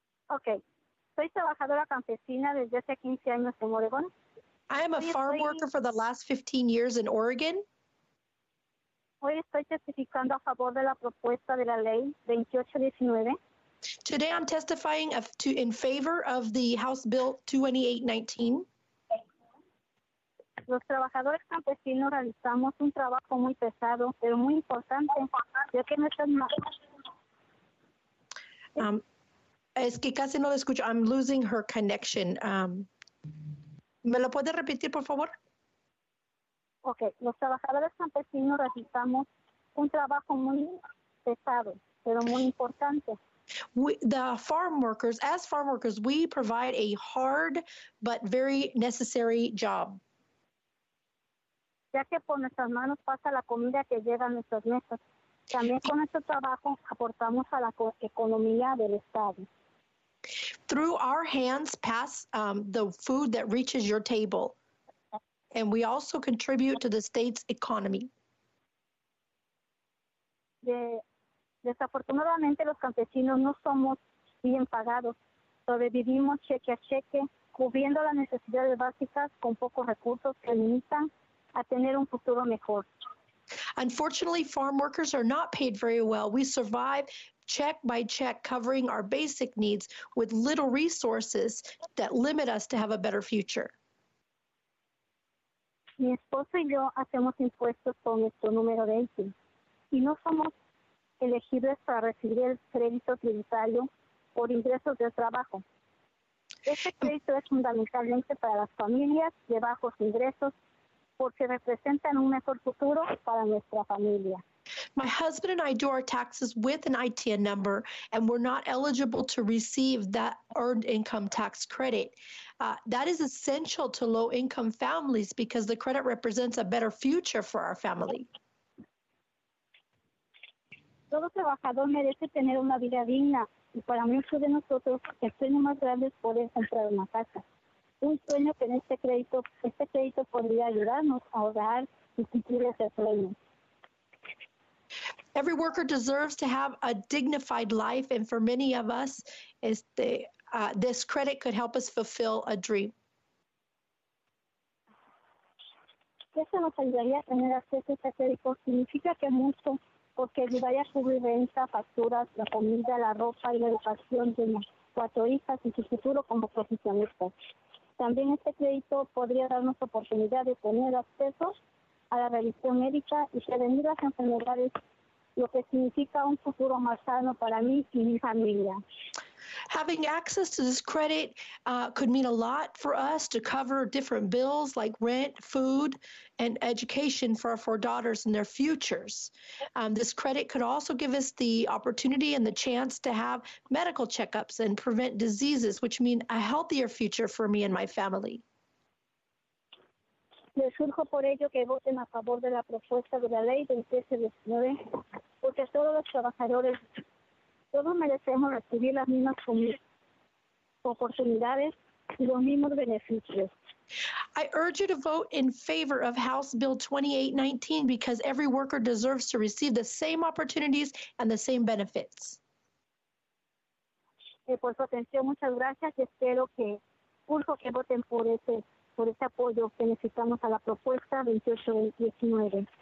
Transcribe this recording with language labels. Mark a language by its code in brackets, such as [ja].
[en] Okay. [es] Soy trabajadora campesina desde hace 15 años en Oregon. [en] I am a farm worker for the last 15 years in Oregon. [es] Hoy estoy testificando a favor de la propuesta de la ley 2819. [en] Today I'm testifying in favor of the House Bill 2819. [es] Los trabajadores campesinos realizamos un trabajo muy pesado, pero muy importante, ya que nuestras madres. Es que casi no la escucho. [en] I'm losing her connection. [es] ¿Me lo puede repetir, por favor? [en] Okay. [es] Los trabajadores campesinos realizamos un trabajo muy pesado, pero muy importante. [en] As farm workers, we provide a hard but very necessary job. [es] Ya que por nuestras manos pasa la comida que llega a nuestras mesas. También con nuestro trabajo aportamos a la economía del estado. [en] Through our hands pass the food that reaches your table. And we also contribute to the state's economy. [es] Desafortunadamente los campesinos no somos bien pagados. Sobrevivimos cheque a cheque, cubriendo las necesidades básicas con pocos recursos que limitan a tener un futuro mejor. [en] Unfortunately, farm workers are not paid very well. We survive check by check, covering our basic needs with little resources that limit us to have a better future. [es] mi esposo y yo hacemos impuestos con nuestro número de ICI y no somos elegibles para recibir el crédito tributario por ingresos de trabajo. Este crédito es fundamentalmente para las familias de bajos ingresos porque representan un mejor futuro para nuestra familia. [en] My husband and I do our taxes with an ITIN number, and we're not eligible to receive that earned income tax credit. That is essential to low-income families because the credit represents a better future for our family. [es] Todo trabajador merece tener una vida digna, y para muchos de nosotros, el sueño más grande es poder comprar una casa. Un sueño que en este crédito podría ayudarnos a ahorrar y cumplir ese sueño. [en] Every worker deserves to have a dignified life, and for many of us, this credit could help us fulfill a dream. [es] Eso nos ayudaría a tener acceso a este crédito. Significa que mucho, porque ayudaría a cubrir renta, facturas, la comida, la ropa y la educación de mis cuatro hijas y su futuro como profesionista. También este crédito podría darnos oportunidad de tener acceso a la revisión médica y prevenir las enfermedades, lo que significa un futuro más sano para mí y mi familia. [en] Having access to this credit could mean a lot for us to cover different bills like rent, food, and education for our four daughters and their futures. This credit could also give us the opportunity and the chance to have medical checkups and prevent diseases, which mean a healthier future for me and my family. [es] Les urjo por ello que voten a favor de la propuesta de la ley 2019, porque todos los trabajadores, todos merecemos recibir las mismas oportunidades y los mismos beneficios. [en] I urge you to vote in favor of House Bill 2819 because every worker deserves to receive the same opportunities and the same benefits. [es] Por su atención, muchas gracias y espero que, urjo que voten por ese. Por ese apoyo que necesitamos a la propuesta 2819.